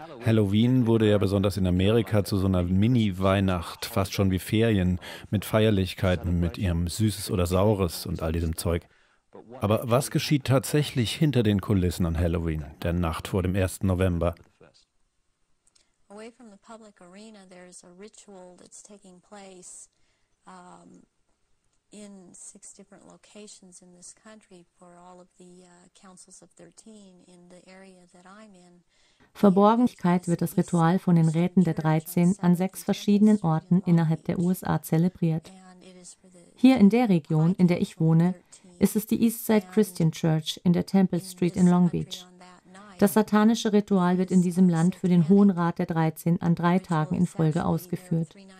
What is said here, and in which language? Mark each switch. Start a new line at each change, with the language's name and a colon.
German: Halloween wurde ja besonders in Amerika zu so einer Mini-Weihnacht, fast schon wie Ferien, mit Feierlichkeiten, mit ihrem Süßes oder Saures und all diesem Zeug. Aber was geschieht tatsächlich hinter den Kulissen an Halloween, der Nacht vor dem 1. November?
English: Away from the public arena, there's a ritual that's taking place in 6 different locations in this country for all of the councils of 13 in the area that I'm in.
German: Verborgenheit wird das Ritual von den Räten der 13 an 6 verschiedenen Orten innerhalb der USA zelebriert. Hier in der Region, in der ich wohne, ist es die Eastside Christian Church in der Temple Street in Long Beach. Das satanische Ritual wird in diesem Land für den Hohen Rat der 13 an 3 Tagen in Folge ausgeführt.